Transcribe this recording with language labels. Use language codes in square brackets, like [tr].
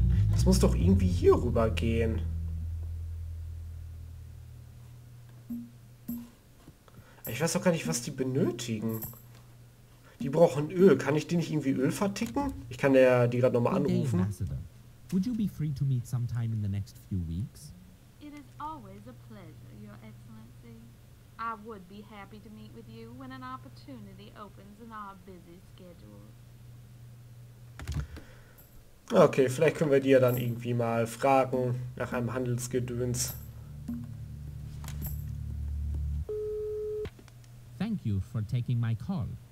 [de] Das muss doch irgendwie hier rüber gehen. Ich weiß auch gar nicht, was die benötigen. Die brauchen Öl. Kann ich die nicht irgendwie Öl verticken? Ich kann ja die gerade nochmal anrufen. [en] Would you be free to meet sometime in the next few weeks? It is always a pleasure, Your Excellency. I would be happy to meet with you when an opportunity opens in our busy schedules. [de] Okay, vielleicht können wir die ja dann irgendwie mal fragen nach einem Handelsgedöns. [en] Thank you for taking my call.